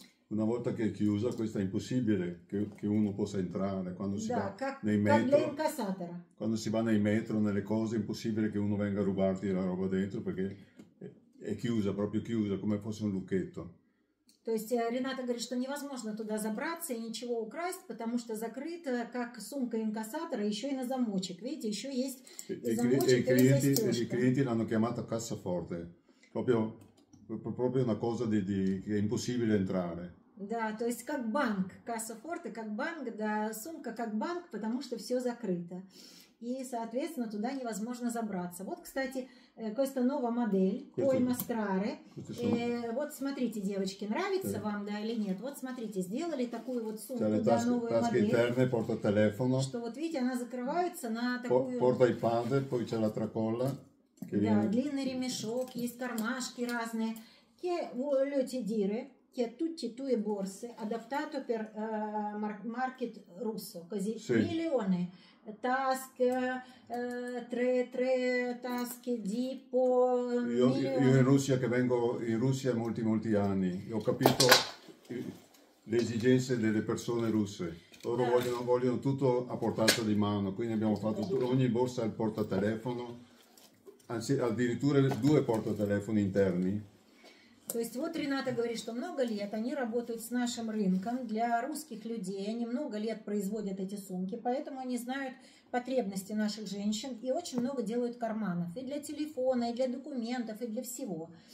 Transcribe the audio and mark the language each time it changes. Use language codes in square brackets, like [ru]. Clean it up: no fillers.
[it] Una volta che è chiusa, questo è impossibile che uno possa entrare quando si da, va nei metro. Incassatera. Quando si va nei metro, nelle cose, è impossibile che uno venga a rubarti la roba dentro perché è chiusa, proprio chiusa, come fosse un lucchetto. [ru] То есть Рената говорит, что невозможно туда забраться и ничего украсть, потому что закрыто, как сумка инкассатора, еще и на замочек. Видите, еще есть замочек и застежка. [it] I clienti l'hanno chiamata cassaforte. Proprio una cosa di che è impossibile entrare. [ru] Да, то есть как банк, кассафорте, как банк, да, сумка как банк, потому что все закрыто. И, соответственно, туда невозможно забраться. Вот, кстати, [it] questa nuova [ru] модель, [it] poi mostrare. [ru] Вот смотрите, девочки, нравится вам, да, или нет? Вот смотрите, сделали такую вот сумку, cioè, да, новую [it] tasche [ru] модель. [it] Interne, porta telefono. [ru] Что вот видите, она закрывается на такую... [it] Porta i pad, poi c'è la tracolla. [ru] Да, длинный ремешок, есть кармашки разные. [it] Che voglio ti dire che tutte tue borse adattato per market russo, così milioni tasche, tre tasche di po. Io in Russia che vengo in Russia molti anni, ho capito le esigenze delle persone russe. Loro vogliono tutto a portata di mano, quindi abbiamo fatto ogni borsa al portatelefono. Anzi, addirittura due portatelefoni interni. [ru] То есть вот Рената говорит, что много лет они работают с нашим рынком для русских людей, они много лет производят эти сумки, поэтому они знают потребности наших женщин и очень много делают карманов и для телефона, и для документов, и для всего.